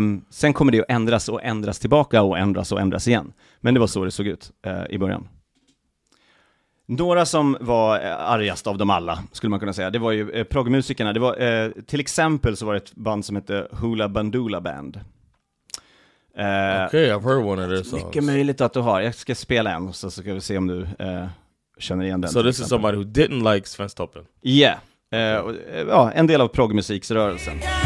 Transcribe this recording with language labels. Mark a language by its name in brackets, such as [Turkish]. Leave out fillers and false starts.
[Swedish] Sen kommer det att ändras och ändras tillbaka och ändras och ändras igen. Men det var så det såg ut i början. Några som var argast av dem alla skulle man kunna säga. Det var ju proggmusikerna. Det var till exempel så var det ett band som hette Hula Bandula Band. [English] Okej, I've heard one of their songs. [Swedish] Mycket möjligt att du har. Jag ska spela en och så ska vi se om du känner igen den. [English] So this is somebody who didn't like Svensktoppen. Yeah. [Swedish] Ja, en del av proggmusiksrörelsen.